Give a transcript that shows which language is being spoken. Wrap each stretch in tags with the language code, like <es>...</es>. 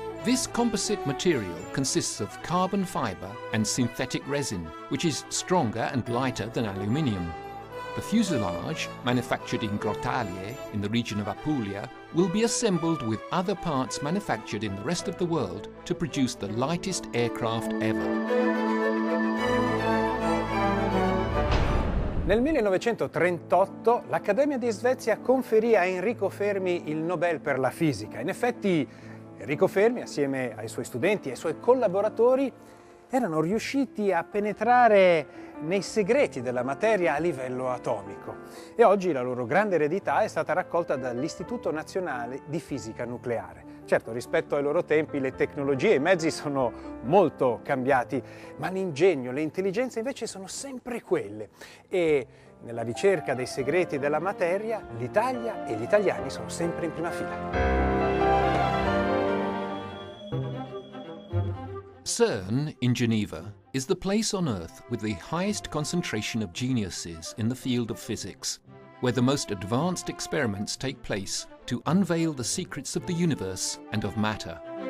<en>This composite material consists of carbon fiber and synthetic resin, which is stronger and lighter than aluminium. The fuselage, manufactured in Grottaglie in the region of Apulia, will be assembled with other parts manufactured in the rest of the world to produce the lightest aircraft ever.</en> <it>Nel 1938 l'Accademia di Svezia conferì a Enrico Fermi il Nobel per la fisica. In effetti Enrico Fermi, assieme ai suoi studenti e ai suoi collaboratori, erano riusciti a penetrare nei segreti della materia a livello atomico. E oggi la loro grande eredità è stata raccolta dall'Istituto Nazionale di Fisica Nucleare. Certo, rispetto ai loro tempi, le tecnologie e i mezzi sono molto cambiati, ma l'ingegno, le intelligenze invece sono sempre quelle. E nella ricerca dei segreti della materia, l'Italia e gli italiani sono sempre in prima fila.</it> <en>CERN, in Geneva, is the place on Earth with the highest concentration of geniuses in the field of physics, where the most advanced experiments take place to unveil the secrets of the universe and of matter.</en>